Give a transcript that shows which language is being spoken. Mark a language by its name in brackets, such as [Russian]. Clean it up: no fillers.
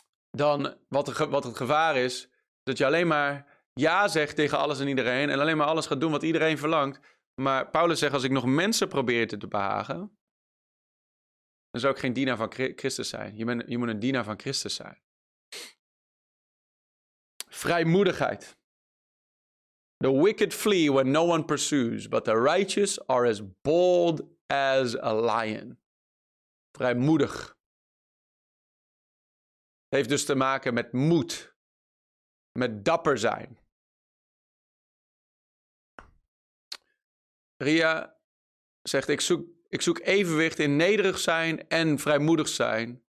[Dutch] Dan wat het gevaar is, dat je alleen maar ja zegt tegen alles en iedereen en alleen maar alles gaat doen wat iedereen verlangt. Maar Paulus zegt, als ik nog mensen probeer te behagen, dan zou ik geen dienaar van Christus zijn. Je moet een dienaar van Christus zijn. Vrijmoedigheid. [English] The wicked flee when no one pursues, but the righteous are as bold as a lion. [Dutch] Vrijmoedig. Het heeft dus te maken met moed. Met dapper zijn. Ria zegt, ik zoek evenwicht in nederig zijn en vrijmoedig zijn.